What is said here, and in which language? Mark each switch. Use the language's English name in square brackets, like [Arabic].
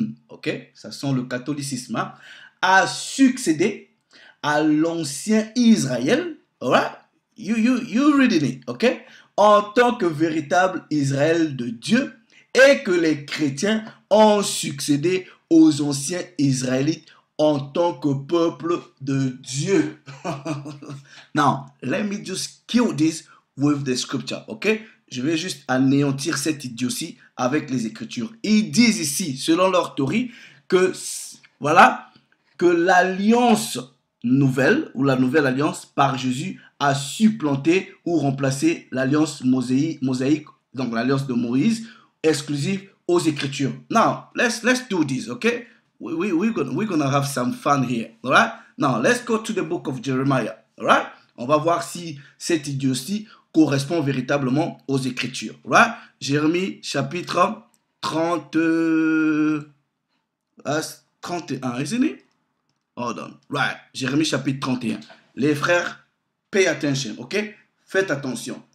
[French] ok, ça sent le catholicisme, hein, a succédé à l'ancien Israël, [English] alright, you reading it, [French] ok, en tant que véritable Israël de Dieu, et que les chrétiens ont succédé aux anciens Israélites en tant que peuple de Dieu. [English] Now, let me just kill this with the scripture, ok. [French] Je vais juste anéantir cette idiotie avec les Écritures. Ils disent ici, selon leur théorie, que, voilà, que l'alliance nouvelle ou la nouvelle alliance par Jésus a supplanté ou remplacé l'alliance mosaïque, donc l'alliance de Moïse, exclusive aux Écritures. [English] Now, let's do this, ok? We're gonna have some fun here, alright? Now, let's go to the book of Jeremiah, alright? [French] On va voir si cette idiotie correspond véritablement aux Écritures. [English] Right? Jérémie, chapitre 31, isn't it? Hold on. Right. [French] Jérémie, chapitre 31. Les frères, [English] pay attention, ok? [French] Faites attention.